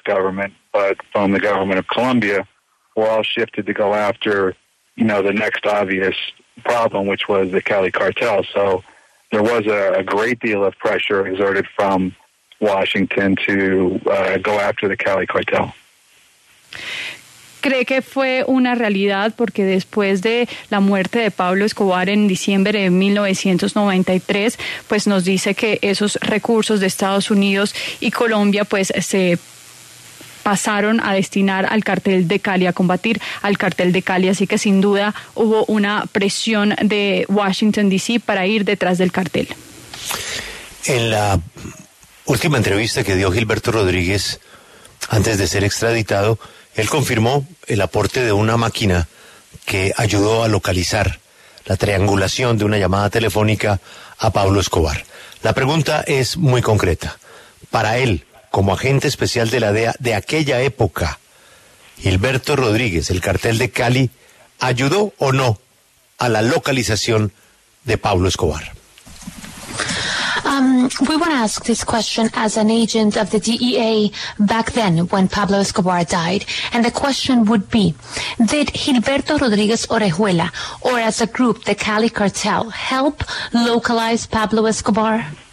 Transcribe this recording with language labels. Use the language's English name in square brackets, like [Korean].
[English] government, but from the government of Colombia, were all shifted to go after, you know, the next obvious problem, which was the Cali cartel. So there was a great deal of pressure exerted from Washington to go after the Cali cartel. [Spanish] ¿Cree que fue una realidad? Porque después de la muerte de Pablo Escobar en diciembre de 1993, pues nos dice que esos recursos de Estados Unidos y Colombia pues se pasaron a destinar al cartel de Cali, a combatir al cartel de Cali. Así que sin duda hubo una presión de Washington D.C. para ir detrás del cartel. En la última entrevista que dio Gilberto Rodríguez antes de ser extraditado, él confirmó el aporte de una máquina que ayudó a localizar la triangulación de una llamada telefónica a Pablo Escobar. La pregunta es muy concreta. Para él, como agente especial de la DEA de aquella época, Gilberto Rodríguez, el cartel de Cali, ¿ayudó o no a la localización de Pablo Escobar? [English] We want to ask this question as an agent of the DEA back then when Pablo Escobar died. And the question would be, did Gilberto Rodríguez Orejuela, or as a group, the Cali cartel, help localize Pablo Escobar?